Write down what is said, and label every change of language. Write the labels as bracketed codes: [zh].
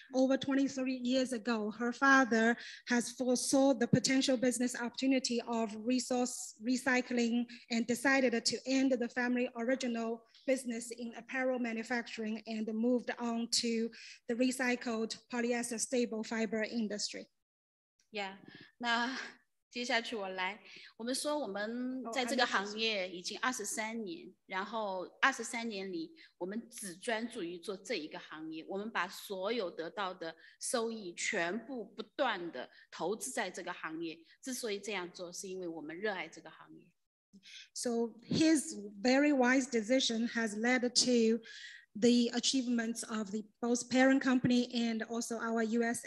[en] Over 23 years ago, her father has foresaw the potential business opportunity of resource recycling and decided to end the family original business in apparel manufacturing and moved on to the recycled polyester staple fiber industry. Yeah. [zh] Now 接下去我来，我们说我们在这个行业已经23年，然后23年里我们只专注于做这一个行业，我们把所有得到的收益全部不断的投资在这个行业。之所以这样做，是因为我们热爱这个行业。So [en] his very wise decision has led to the achievements of the both parent company and also our U.S.